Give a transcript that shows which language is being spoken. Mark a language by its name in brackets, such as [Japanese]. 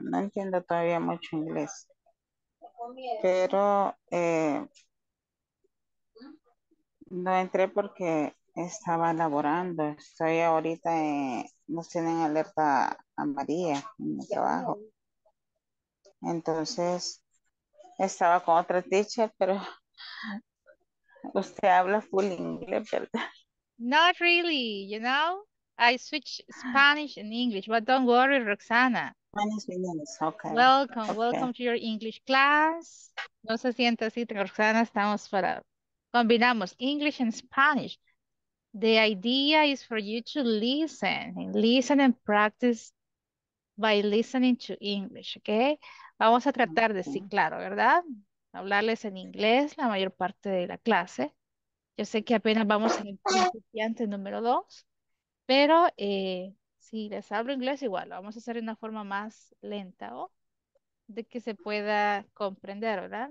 [Spanish] No entiendo todavía mucho inglés. Pero no entré porque estaba laborando. Estoy ahorita, nos tienen alerta amarilla en mi trabajo. Entonces, estaba con otra teacher, pero usted habla full inglés, ¿verdad? [English] Not really, you know. I switch Spanish and English, but don't worry, Roxana. Welcome, Okay. welcome to your English class. [Spanish] No se sienta así, Roxana. Estamos para. Combinamos [English] English and Spanish. The idea is for you to listen and practice by listening to English, ¿ok? [Spanish] Vamos a tratar de, sí, claro, ¿verdad? Hablarles en inglés la mayor parte de la clase. Yo sé que apenas vamos en principiante número 2, pero si les hablo inglés, igual lo vamos a hacer de una forma más lenta o de que se pueda comprender, ¿verdad?